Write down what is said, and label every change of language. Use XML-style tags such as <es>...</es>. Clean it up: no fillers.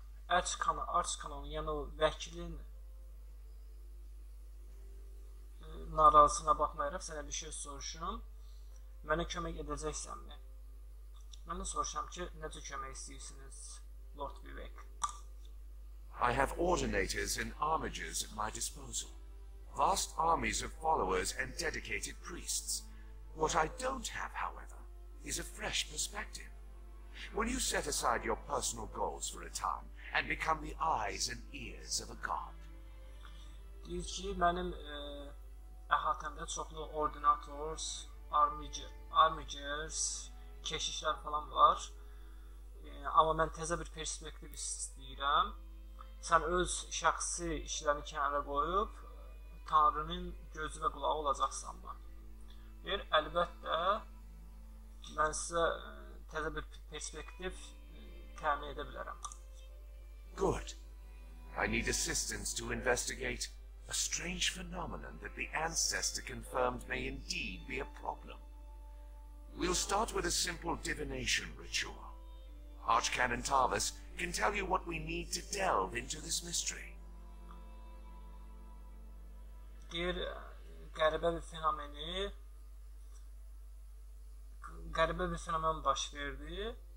<az>Arch Canon, yəni o vəkilin narazısına baxmayaraq, sənə bir şey soruşum. Mənə kömək edəcəksən mi? Mən də soruşam ki, necə kömək istəyirsiniz, Lord Vivek?</az> <en>I have ordinators and armagers at my disposal. Vast armies of followers and dedicated priests. What I don't have, however, is a fresh perspective. When you set aside your personal goals for a time and become the eyes and ears of a god.</en> <az>Deyir ki, mənim əhatəmdə çoxlu ordinators, armagers, keşişlər falan var. Amma mən təzə bir perspektiv istəyirəm. Sən öz şəxsi işlərini kənara qoyub Tanrının gözü və qulağı olacaqsan mı? Deyir, əlbəttə mən sizə təzə bir perspektiv təmin edə bilərəm.</az> <en>Good. I need assistance to investigate a strange phenomenon that the ancestor confirmed may indeed be a problem. We'll start with a simple divination ritual. Archcanon Tarvis can tell you what we need to delve into this mystery.</en> <az>Deyir, qəribə bir fenomeni... Qəribə bir fenomen baş verdi.</az>